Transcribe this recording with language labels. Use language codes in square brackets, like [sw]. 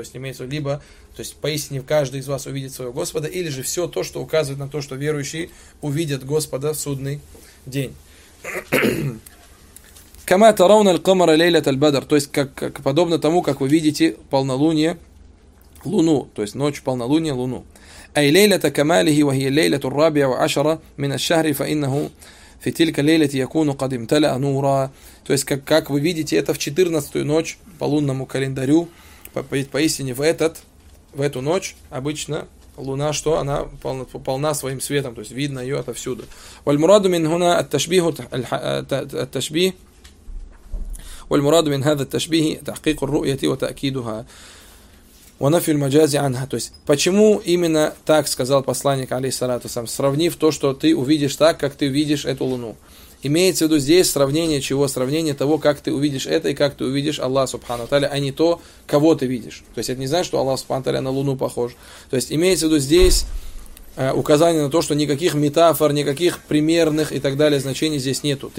[ru] То есть имеется либо, то есть поистине каждый из вас увидит своего Господа, или же все то, что указывает на то, что верующие увидят Господа в судный день. [ar] «Кама тарауна л-камара лейлят аль-бадр», [ru] то есть как подобно тому, как вы видите полнолуние, луну, то есть ночь полнолуния, луну. [ar] أي ليلة كماله وهي الليلة الرابعة عشرة من الشهر فإنه في تلك الليلة يكون قد امتلأ نورا. [ru] То есть, как вы видите, это в 14-ю ночь по лунному календарю. Поистине, в эту ночь обычно луна, что она полна своим светом, то есть видно ее отовсюду. [ar] والمراد من هنا التشبيه التشبيه والمراد من هذا التشبيه تحقيق الرؤية وتأكيدها. Ванафиль маджази анха. [ru] То есть, почему именно так сказал посланник, алейхиссалату вассалям, сравнив то, что ты увидишь так, как ты видишь эту луну. Имеется в виду здесь сравнение чего? Сравнение того, как ты увидишь это и как ты увидишь Аллах, Субхану ва Тааля, а не то, кого ты видишь. То есть, это не значит, что Аллах, Субхану ва Тааля, на луну похож. То есть, имеется в виду здесь указание на то, что никаких метафор, никаких примерных и так далее значений здесь нету.